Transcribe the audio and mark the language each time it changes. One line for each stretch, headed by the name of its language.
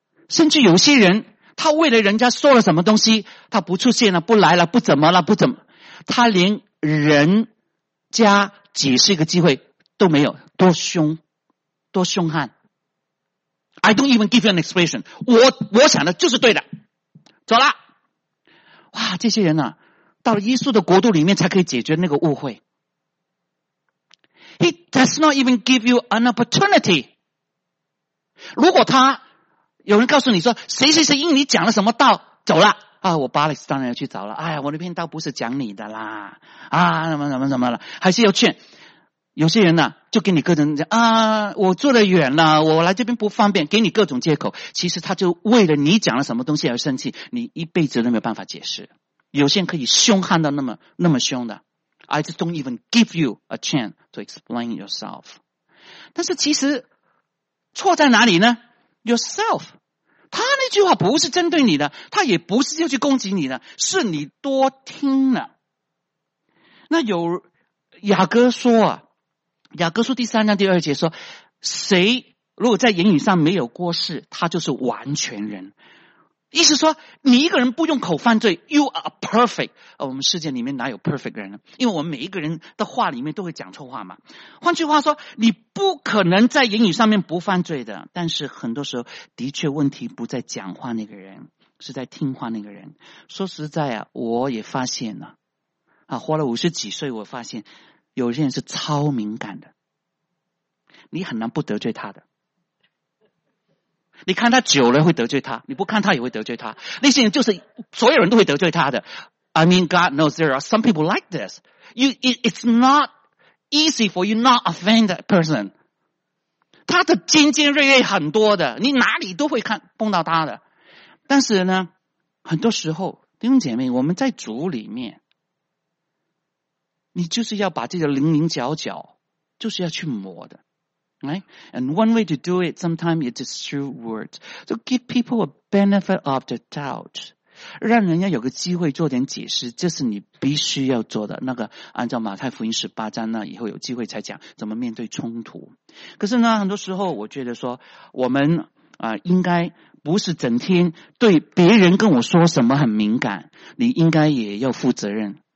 Chinese: 甚至有些人他为了人家说了什么东西，他不出现了，不来了，不怎么了，不怎么，他连人家解释一个机会都没有，多凶，多凶悍。
English: I don't even give you an expression，
Chinese: 我想的就是对的，走了。哇，这些人啊，到了耶稣的国度里面才可以解决那个误会。
English: He does not even give you an opportunity。
Chinese: 如果他有人告诉你说谁谁谁因你讲了什么道走了啊，我巴勒斯当然要去找了。哎呀，我那篇道不是讲你的啦啊，怎么怎么怎么了，还是要劝。有些人呢、啊、就给你各种讲啊，我坐得远了，我来这边不方便，给你各种借口。其实他就为了你讲了什么东西而生气，你一辈子都没有办法解释。有些人可以凶悍到那么凶的。
English: I just don't even give you a chance to explain yourself。
Chinese: 但是其实错在哪里呢？Yourself， 他那句话不是针对你的，他也不是要去攻击你的，是你多听了。那有雅各说啊，雅各书第三章第二节说，谁如果在言语上没有过失，他就是完全人。意思说你一个人不用口犯罪，
English: You are perfect。
Chinese: 我们世界里面哪有 perfect 人呢？因为我们每一个人的话里面都会讲错话嘛。换句话说，你不可能在言语上面不犯罪的。但是很多时候的确问题不在讲话那个人，是在听话那个人。说实在啊，我也发现了啊，活了五十几岁，我发现有些人是超敏感的，你很难不得罪他的。你看他久了会得罪他，你不看他也会得罪他。那些人就是所有人都会得罪他的。
English: I mean, God knows there are some people like this. It's not easy for you not offend that person.
Chinese: 他的尖尖锐锐很多的，你哪里都会看碰到他的。但是呢，很多时候弟兄姐妹，我们在主里面，你就是要把这个零零角角就是要去磨的。
English: Right? And one way to do it, sometimes it is through words. So give people a benefit of the doubt.
Chinese: 让人家有个机会做点解释，这是你必须要做的。那个按照马太福音十八章呢，以后有机会才讲怎么面对冲突。可是呢，很多时候我觉得说，我们应该不是整天对别人跟我说什么很敏感，你应该也要负责任。